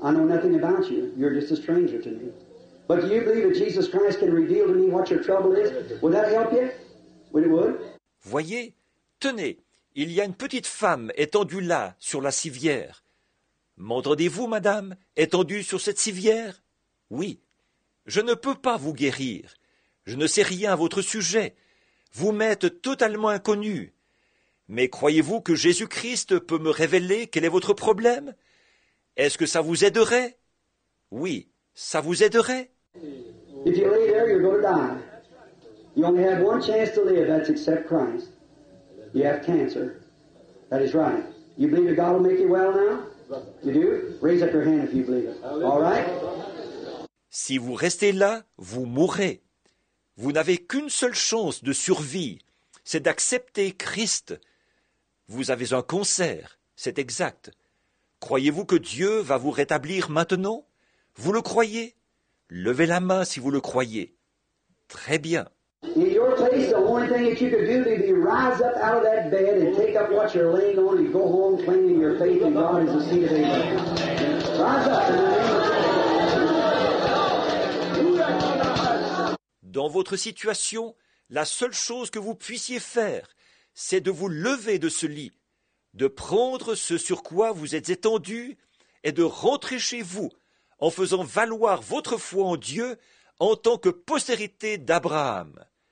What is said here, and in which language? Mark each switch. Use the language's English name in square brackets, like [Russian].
[English] I know nothing about you. You're just a stranger to me. But do you believe that Jesus Christ can reveal to me what your trouble is? Would that help you? Would it would? [French] Voyez, tenez, il y a une petite femme étendue là, sur la civière. M'entendez-vous, madame, étendue sur cette civière? Oui. Je ne peux pas vous guérir. Je ne sais rien à votre sujet. Vous m'êtes totalement inconnu. Mais croyez-vous que Jésus-Christ peut me révéler quel est votre problème? Est-ce que ça vous aiderait? Oui, ça vous aiderait. [English] If you lay there, you're going to die. You only have one chance to live, that's accept Christ. You have cancer. That is right. You believe that God will make you well now? You do? Raise up your hand if you believe it. All right? [French] Si vous restez là, vous mourrez. Vous n'avez qu'une seule chance de survie, c'est d'accepter Christ. Vous avez un cancer, c'est exact. Croyez-vous que Dieu va vous rétablir maintenant? Vous le croyez? Levez la main si vous le croyez. Très bien. [English] In your place, the only thing that you could do would be rise up out of that bed and take up what you're laying on and go home claiming your faith in God as the seed of Abraham. Rise up. [French] Dans votre situation, la seule chose que vous puissiez faire, c'est de vous lever de ce lit, de prendre ce sur quoi vous êtes étendu et de rentrer chez vous en faisant valoir votre foi en Dieu en tant que postérité d'Abraham.